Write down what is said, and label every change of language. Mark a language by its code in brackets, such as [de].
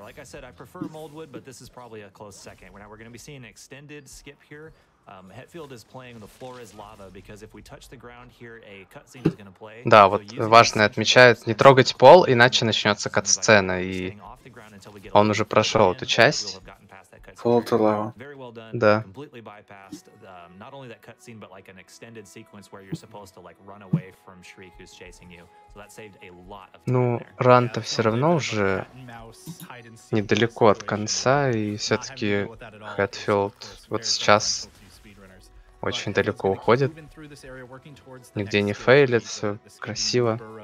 [en] Like I said, I prefer Moldwood, but this is probably a close second. We're going to be seeing an extended skip here. Hetfield is playing the floor is lava because if we touch the ground here, a cutscene is going to play. [ru] Да, вот важное отмечает: не трогать пол, иначе начнется катсцена, и он уже прошел эту часть. Пол это лава. Да. [en] Completely bypassed not only that cutscene, but like an extended sequence where you're supposed to like run away from Shriek, who's chasing you. [ru] Ну, ран-то все равно уже недалеко от конца, и все-таки Хэтфилд вот сейчас очень далеко уходит. Нигде не фейлит, все красиво.